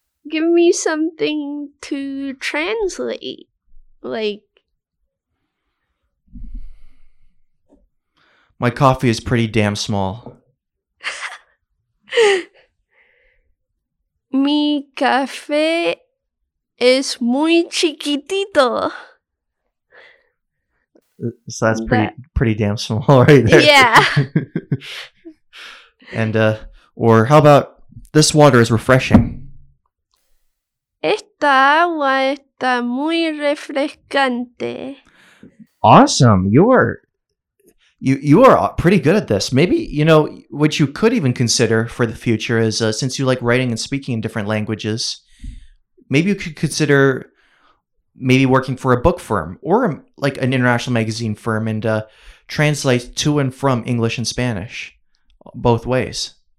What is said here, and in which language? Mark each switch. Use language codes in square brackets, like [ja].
[en] Give me something to translate, like. My coffee is pretty damn small. [es] Mi café es muy chiquitito. [en] So that's pretty damn small right there. Yeah. And or how about this water is refreshing. [es] Esta agua está muy refrescante. [en] Awesome. You are pretty good at this. Maybe, you know, what you could even consider for the future is, since you like writing and speaking in different languages, maybe you could consider maybe working for a book firm or like an international magazine firm and translate to and from English and Spanish both ways.